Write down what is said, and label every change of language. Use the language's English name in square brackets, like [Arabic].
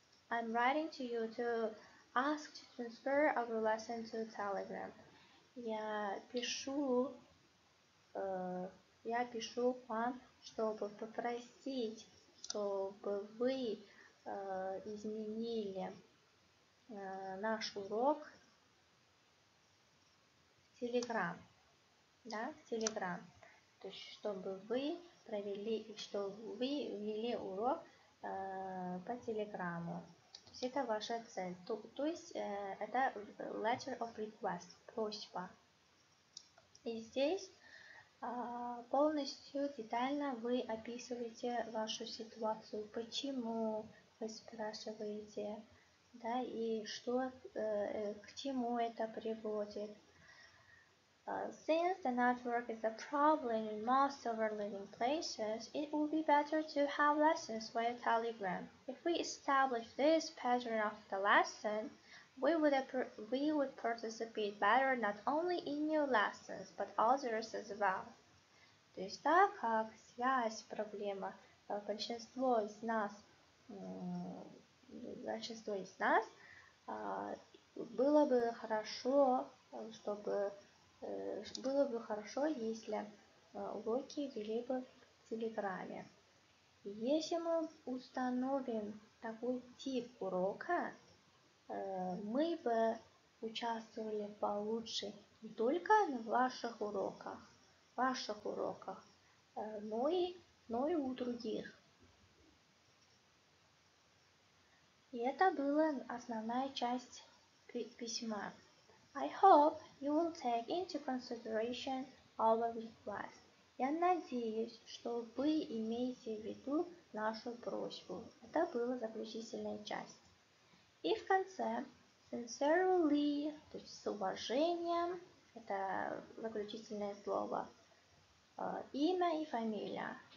[English] I'm writing to you to ask to transfer our lesson to Telegram. [Russian] Я пишу вам, чтобы попросить, чтобы вы изменили наш урок в Telegram. Да, в Telegram. То есть, чтобы вы провели, чтобы вы ввели урок по Телеграмму. То есть, это ваша цель. То есть, это [English] letter of request, [Russian] просьба. И здесь полностью детально вы описываете вашу ситуацию, почему вы спрашиваете, да, и что, к чему это приводит. [English] Since the network is a problem in most of our living places, it would be better to have lessons via Telegram. If we establish this pattern of the lesson, we would participate better not only in new lessons, but others as well. [Russian] То есть так как связь, проблема, большинство из нас, было бы хорошо, чтобы... Было бы хорошо, если уроки вели бы в Телеграме. Если мы установим такой тип урока, мы бы участвовали получше не только на ваших уроках, но и у других. И это была основная часть письма. [English] I hope you will take into consideration our request. [Russian] Я надеюсь, что вы имеете в виду нашу просьбу. Это была заключительная часть. И в конце, sincerely, то есть с уважением, это заключительное слово, имя и фамилия.